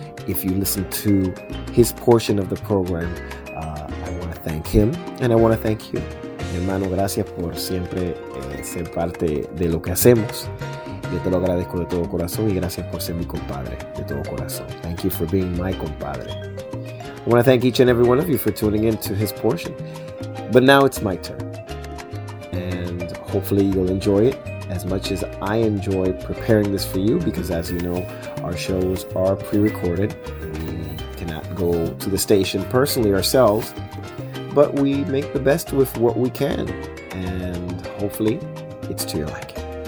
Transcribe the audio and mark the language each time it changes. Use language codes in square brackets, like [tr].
[en] If you listen to his portion of the program, I want to thank him and I want to thank you. [es] Mi hermano, gracias por siempre ser parte de lo que hacemos. Yo te lo agradezco de todo corazón y gracias por ser mi compadre de todo corazón. [en] Thank you for being my compadre. I want to thank each and every one of you for tuning in to his portion. But now it's my turn. Hopefully you'll enjoy it as much as I enjoy preparing this for you, because as you know, our shows are pre-recorded. We cannot go to the station personally ourselves, but we make the best with what we can, and hopefully it's to your liking.